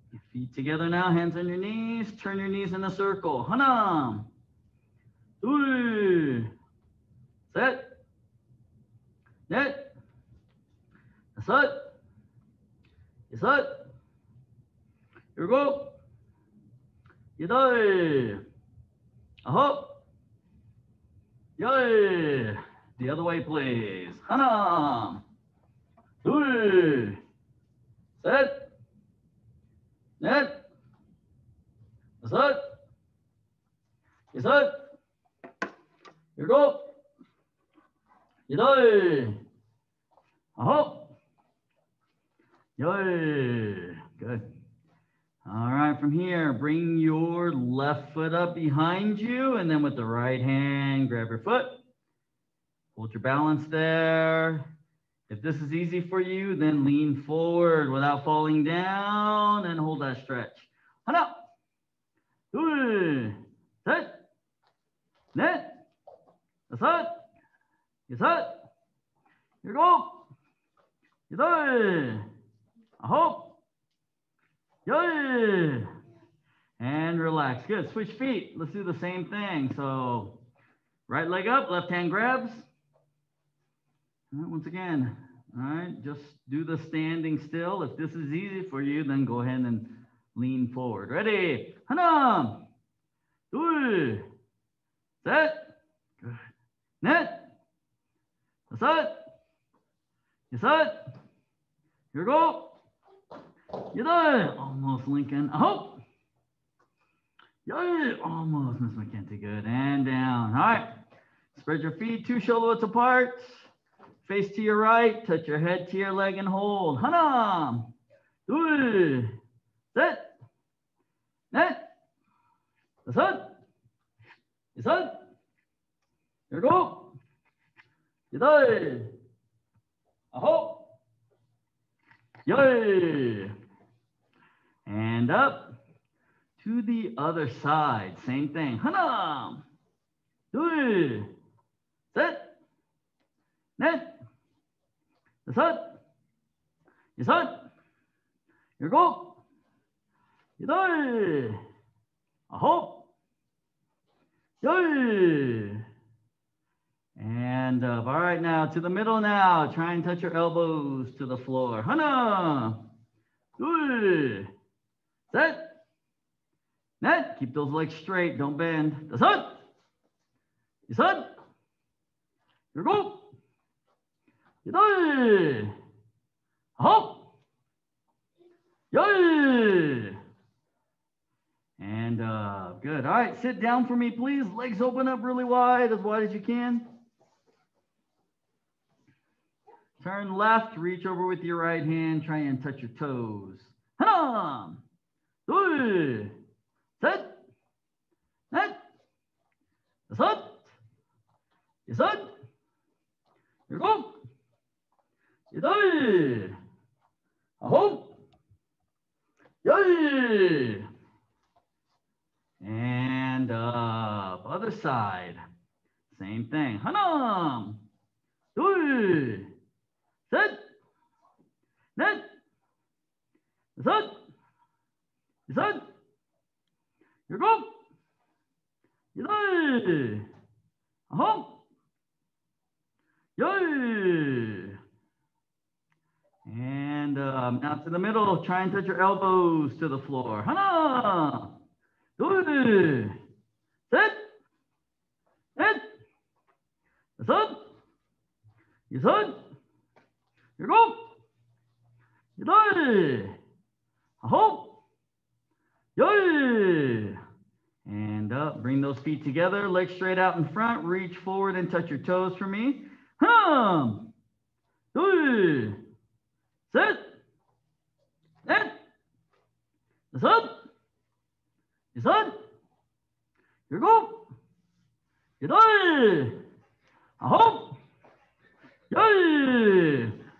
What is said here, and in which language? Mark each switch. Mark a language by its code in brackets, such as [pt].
[en] Feet together now, hands on your knees, turn your knees in a circle. [ko] 하나, 둘, 셋, 넷, 다섯, 여섯, 일곱, 여덟, 아홉, 열. [en] The other way, please. [ko] 하나, 둘, 셋, 넷, 다섯, 여섯, 일곱, 여덟, 아홉, 열. [en] Good. All right, from here, bring your left foot up behind you, and then with the right hand, grab your foot. Hold your balance there. If this is easy for you, then lean forward without falling down and hold that stretch. [ko] 하나, 둘, 셋, 넷, 다섯, 여섯, 일곱, 여덟, 아홉, 열. [en] And relax. Good. Switch feet. Let's do the same thing. So right leg up, left hand grabs. Once again, all right, just do the standing still. If this is easy for you, then go ahead and lean forward. Ready? [ko] 하나, 둘, 셋, 넷, 다섯, 여섯, 일곱, 여덟. [en] Almost, [ko] Lincoln. 아홉, 열. [en] Almost, Miss McKenzie. Good. And down. All right. Spread your feet two shoulder widths apart. Face to your right, touch your head to your leg and hold. [ko] 하나, 둘, 셋, 넷, 다섯, 여섯, 일곱, 여덟, 아홉, 열. [en] And up to the other side. Same thing. [ko] 하나, 둘, 셋, 넷, 다섯, 여섯, 일곱, 여덟, 아홉, 열. [en] And up. All right, now to the middle now. Try and touch your elbows to the floor. [ko] 하나, 둘, 셋, 넷. [en] Keep those legs straight. Don't bend. [ko] 다섯, 여섯, 일곱, 여덟, 아홉, 열. [en] And good. All right, sit down for me, please. Legs open up really wide as you can. Turn left, reach over with your right hand, try and touch your toes. [ko] 하나, 둘, 셋, 넷, 다섯, 여섯, 일곱, 여덟, 아홉, 열. [en] And up, other side. Same thing. [ko] 하나, 둘, 셋, 넷, 다섯, 여섯, 일곱, 여덟, 아홉, 열. [en] And now to the middle, try and touch your elbows to the floor. [ko] 하나, 둘, 셋, 넷, 다섯, 여섯, 일곱, 여덟, 아홉, 열. [en] And up, bring those feet together, legs straight out in front, reach forward and touch your toes for me. [ko] 하나, 둘, 셋, 넷, 다섯, 여섯, 일곱, 여덟, 아홉, 열.